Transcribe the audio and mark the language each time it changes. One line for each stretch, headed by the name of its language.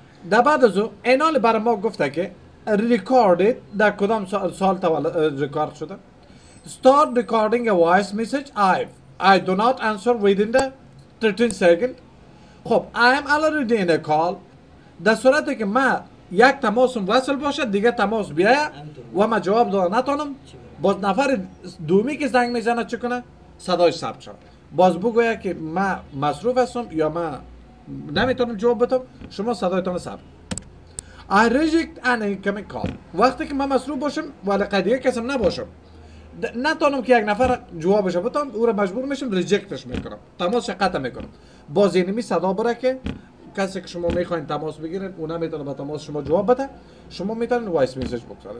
Persian: در بعد از این اینال برای ما گفته که recorded در کدام سال ریکارد شده.
English: Start recording a voice message. I do not answer within the 13 second. خب I am already in a call.
Persian: در صورتی که من یک تماسم وصل باشه دیگه تماس بیایه و من جواب داده نتانم، باز نفر دومی که زنگ میزنه چی کنه؟ صدای ثبت شد. باز بگویه که من مصروف هستم یا من نمیتونم جواب بدم، شما صدایتان ثبت.
English: I reject an incoming call.
Persian: وقتی که من مصروف باشم ولی قدیه کسم نباشم، نتانم که یک نفر جوابش بتانم، او را مجبور میشم ریجکتش میکنم، تماس قطع میکنم. باز اینمی صدا بره که کسی که شما میخواین تماس بگیرین او نمیتونه با تماس شما جواب بده، شما میتونین وایس میسج بگذارین.